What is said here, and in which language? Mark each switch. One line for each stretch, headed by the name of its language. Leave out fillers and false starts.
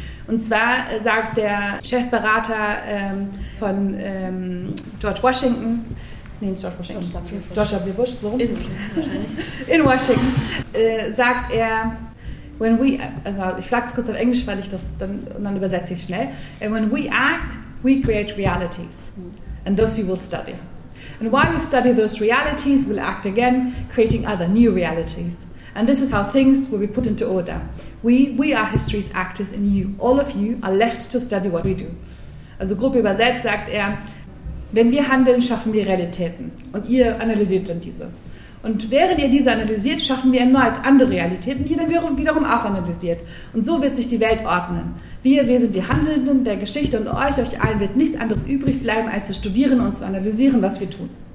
German: Und zwar sagt der Chefberater von George Washington, Nee, nicht George Washington. George W. Bush, so rum. In Washington. Sagt er,
English: when we,
German: also ich sage es kurz auf Englisch, weil ich das dann, und dann übersetze ich schnell.
English: When we act, we create realities. And those you will study. And while you study those realities, we'll act again, creating other new realities. And this is how things will be put into order. We are history's actors and you, all of you, are left to study what we do.
German: Also grob übersetzt sagt er, wenn wir handeln, schaffen wir Realitäten. Und ihr analysiert dann diese. Und während ihr diese analysiert, schaffen wir erneut andere Realitäten, die ihr dann wiederum auch analysiert. Und so wird sich die Welt ordnen. Wir sind die Handelnden der Geschichte und euch allen wird nichts anderes übrig bleiben, als zu studieren und zu analysieren, was wir tun.